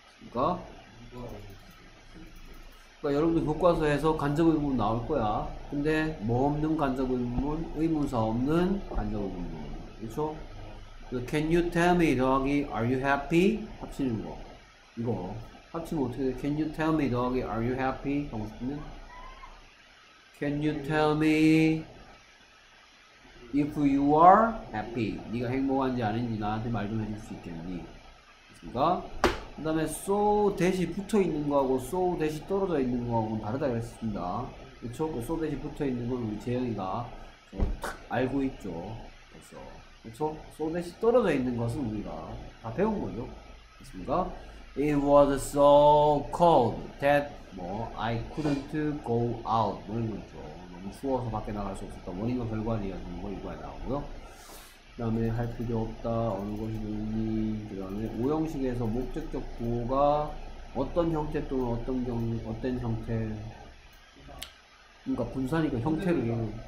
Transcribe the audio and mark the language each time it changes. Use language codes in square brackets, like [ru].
[ko] 그러니까, 여러분들 교과서에서 간접 의문문 나올 거야. 근데 뭐 없는 간접 의문문? 의문사 없는 간접 의문문. 그쵸? [en] Can you tell me [ko] 더하기 [en] Are you happy? [ko] 합치는 거. 이거. 합치면 어떻게 돼? [en] Can you tell me [ko] 더하기 [en] Are you happy? [ko] 하고 싶으면 [en] Can you tell me if you are happy? [ko] 네가 행복한지 아닌지 나한테 말 좀 해줄 수 있겠니? 그니까 그 다음에 so 대신 붙어있는 거하고 so 대신 떨어져 있는 거하고는 다르다 그랬습니다. 그쵸? 그 so 대신 붙어있는 건 우리 재영이가 탁 알고 있죠. 벌써. 그쵸? so 대신 떨어져 있는 것은 우리가 다 배운 거죠. 그렇습니까? [en] It was so cold that 뭐 I couldn't go out. [ko] 뭐 이런 거죠. 너무 추워서 밖에 나갈 수 없었다. 원인과 결과이라는 거 이거에 나오고요. 그 다음에 할 필요 없다. 어느 것이 좋니? 그 다음에 5형식에서 목적격 구호가 어떤 형태 또는 어떤 경우, 어떤 형태. 그러니까 분사니까 형태를.